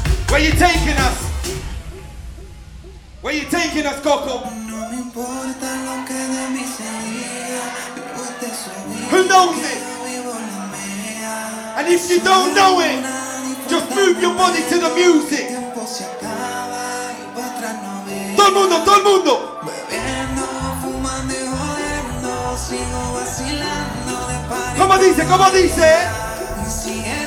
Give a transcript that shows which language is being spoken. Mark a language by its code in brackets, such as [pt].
[en] Where you taking us? Where you taking us, Coco? [es] No me importa lo que de mí se diga. [en] Who knows it? And if you don't know it, just move your body to the music. [es] Todo el mundo, todo el mundo. ¿Cómo dice? ¿Cómo dice?